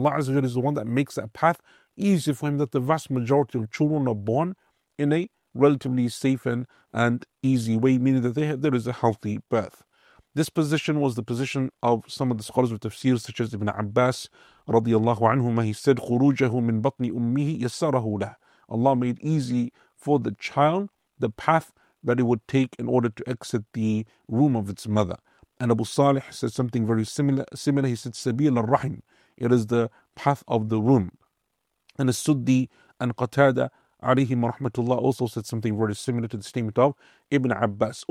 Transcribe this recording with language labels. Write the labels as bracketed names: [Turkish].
[English] Allah Azza wa Jal is the one that makes that path easy for him, that the vast majority of children are born in a relatively safe and easy way, meaning that there is a healthy birth. This position was the position of some of the scholars of tafsir, such as Ibn Abbas radiallahu anhuma. He said, [Arabic] خُرُوجَهُ مِن بَطْنِ أُمِّهِ يَسَّرَهُ لَهُ. [English] Allah made easy for the child the path that it would take in order to exit the womb of its mother. And Abu Salih said something very similar. He said, [Arabic] سَبِيلَ الرَّحِمِ. [English] It is the path of the womb. And As-Suddi and Qatada alayhim rahmatullah also said something very similar to the statement of Ibn Abbas.